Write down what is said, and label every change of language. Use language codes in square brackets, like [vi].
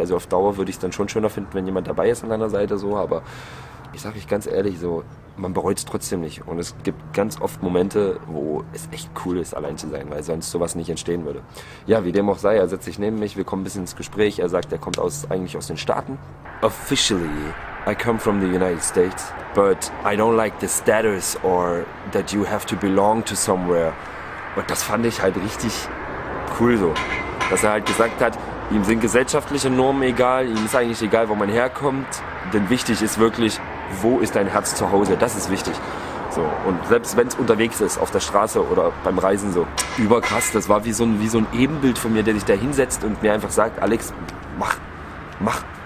[de] Also auf Dauer würde ich es dann schon schöner finden, wenn jemand dabei ist an deiner Seite. So. Aber ich sage euch ganz ehrlich, so, man bereut es trotzdem nicht. Und es gibt ganz oft Momente, wo es echt cool ist, allein zu sein, weil sonst sowas nicht entstehen würde. Ja, wie dem auch sei, er setzt sich neben mich, wir kommen ein bisschen ins Gespräch. Er sagt, er kommt eigentlich aus den Staaten. [en] Officially, I come from the United States, but I don't like the status or that you have to belong to somewhere. [de] Und das fand ich halt richtig cool so, dass er halt gesagt hat, ihm sind gesellschaftliche Normen egal, ihm ist eigentlich egal, wo man herkommt, denn wichtig ist wirklich, wo ist dein Herz zu Hause? Das ist wichtig. So, und selbst wenn es unterwegs ist, auf der Straße oder beim Reisen so, überkrass, das war wie so ein Ebenbild von mir, der sich da hinsetzt und mir einfach sagt, Alex, mach, mach.